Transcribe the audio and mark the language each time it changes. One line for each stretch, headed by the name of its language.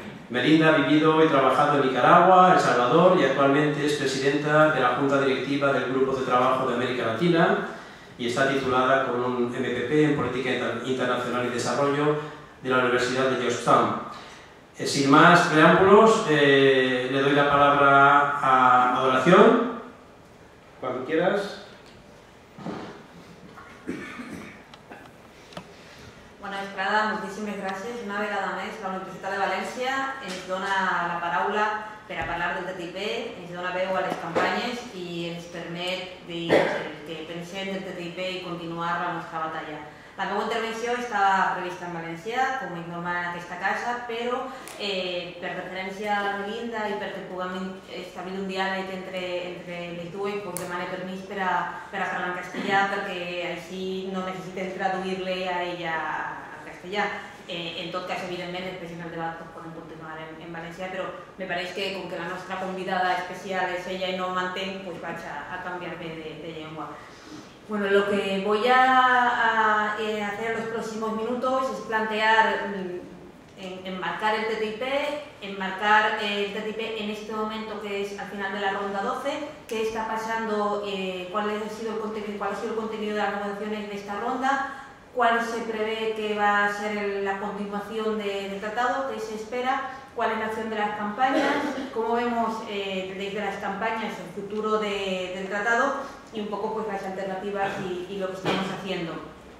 Spanish: Melinda ha vivido y trabajado en Nicaragua, El Salvador, y actualmente es presidenta de la Junta Directiva del Grupo de Trabajo de América Latina, y está titulada con un MPP en Política Internacional y Desarrollo de la Universidad de Georgetown. Sin más preámbulos, le doy la palabra a Adoración. Cuando quieras. Bueno, Estrada, muchísimas gracias.
Catalan: Una vegada más, la Universitat de València ens dona la paraula per a parlar del TTIP, ens dona veu a les campanyes i ens permet dir que pensem del TTIP i continuar la nostra batalla. La meva intervenció està prevista en valencià, com és normal en aquesta casa, però per referència a la Melinda i perquè puguem establir un diàleg entre les dues, pues demano permís per a parlar en castellà, perquè així no necessitem traduir-la a ella en castellà. en tot cas, evidentment, després en el debat pues, podem continuar en València, però me pareix que com que la nostra convidada especial és ella i no ho mantén, pues vaig a canviar-me de llengua.
Spanish: Bueno, lo que voy a hacer en los próximos minutos es plantear, enmarcar el TTIP, enmarcar el TTIP en este momento que es al final de la ronda 12, qué está pasando, cuál ha sido el contenido de las negociaciones de esta ronda, cuál se prevé que va a ser la continuación del tratado, qué se espera, cuál es la acción de las campañas, cómo vemos desde las campañas el futuro del tratado y un poco pues las alternativas y lo que estamos haciendo.